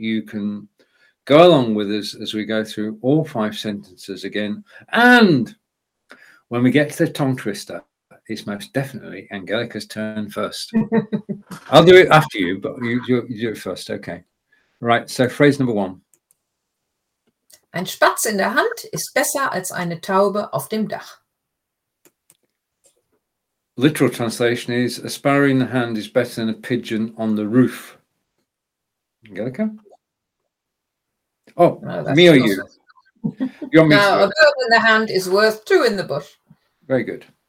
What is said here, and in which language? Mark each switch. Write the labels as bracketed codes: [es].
[en] You can go along with us as we go through all five sentences again. And when we get to the tongue twister, it's most definitely Angelica's turn first. I'll do it after you, but you do it first. Okay. Right, so phrase number one. [de] Ein Spatz in der Hand ist besser als eine Taube auf dem Dach. [en] Literal translation is, a sparrow in the hand is better than a pigeon on the roof. Angelica? Oh, no, me or you? You're me. No, a bird in the hand is worth two in the bush. Very good.